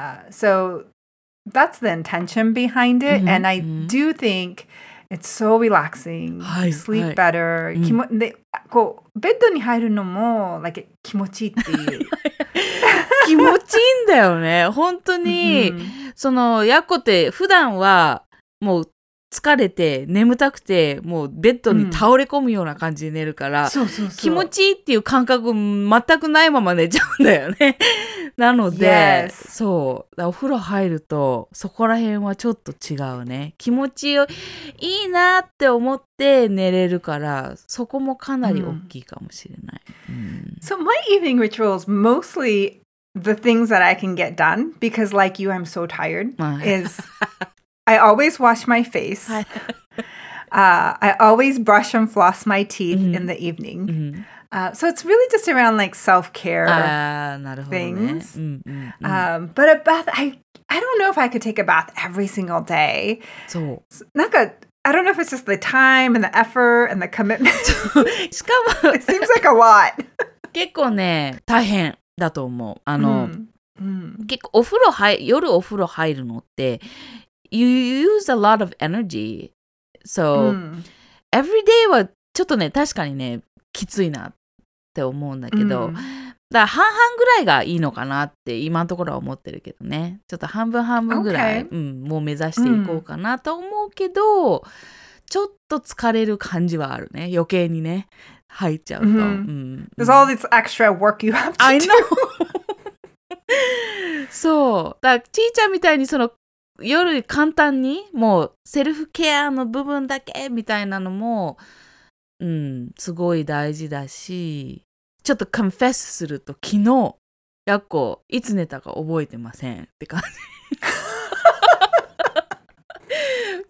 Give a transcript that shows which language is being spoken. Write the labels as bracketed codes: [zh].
[en] so that's the intention behind it.、Mm-hmm. And I do think it's so relaxing. [ja] はい、はい、 [en] sleep better.、Mm-hmm. [ja] でこうベッドに入るのも、like, 気持ちいいっていう。気持ちいいんだよね。本当に。Mm-hmm. そのヤコって普段はもう疲れて眠たくてもうベッドに倒れ込むような感じで寝るから、うん、そうそうそう気持ちいいっていう感覚全くないまま寝ちゃうんだよねなので、そうお風呂入るとそこら辺はちょっと違うね気持ちいいなって思って寝れるからそこもかなり大きいかもしれない、 [en] うんうん、So my evening ritual is mostlyThe things that I can get done, because like you, I'm so tired, is I always wash my face. 、I always brush and floss my teeth、mm-hmm. in the evening.、 Mm-hmm. So it's really just around like self-care things.、ね mm-hmm. But a bath, I don't know if I could take a bath every single day. So, なんか、I don't know if it's just the time and the effort and the commitment. [ja] しかも [en] it seems like a lot. [ja] 結構ね、大変。だと思う。うん、結構お風呂入る夜お風呂入るのって [en] You use a lot of energy. [ja] So、うん、 [en] every day [ja] はちょっとね確かにねきついなって思うんだけど、うん、だから半々ぐらいがいいのかなって今のところは思ってるけどねちょっと半分半分ぐらい、 [en] okay. [ja] うん、もう目指していこうかなと思うけど、うん、ちょっと疲れる感じはあるね余計にね入っちゃうと、mm-hmm. [en] うん、There's all this extra work you have to I do. I know. [ja] そう。だからちーちゃんみたいにその夜簡単にもうセルフケアの部分だけみたいなのも、うん、すごい大事だし、ちょっとコンフェスすると昨日やっこいつ寝たか覚えてませんって感じ。